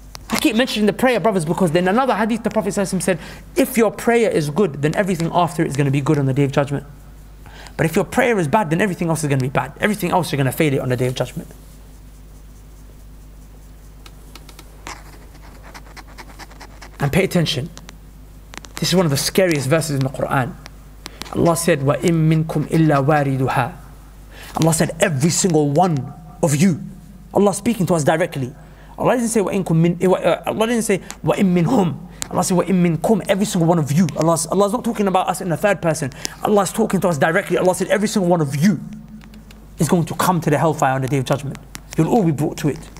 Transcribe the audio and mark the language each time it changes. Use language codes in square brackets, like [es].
[en] I keep mentioning the prayer, brothers, because then another hadith, the Prophet ﷺ said, if your prayer is good, then everything after it is going to be good on the Day of Judgment. But if your prayer is bad, then everything else is going to be bad. Everything else, you're going to fail it on the Day of Judgment. And pay attention. This is one of the scariest verses in the Quran. Allah said, [ar] وَإِن مِّنْكُمْ إِلَّا وَارِدُهَا. [en] Allah said, every single one of you. Allah speaking to us directly. Allah didn't say, [ar] وَإِنْكُمْ مِنْ [en] Allah didn't say, [ar] وَإِن مِّنْهُمْ. [en] Allah said, [ar] وَإِن مِّنْكُمْ, [en] every single one of you. Allah's not talking about us in the third person. Allah's talking to us directly. Allah said, every single one of you is going to come to the hellfire on the Day of Judgment. You'll all be brought to it.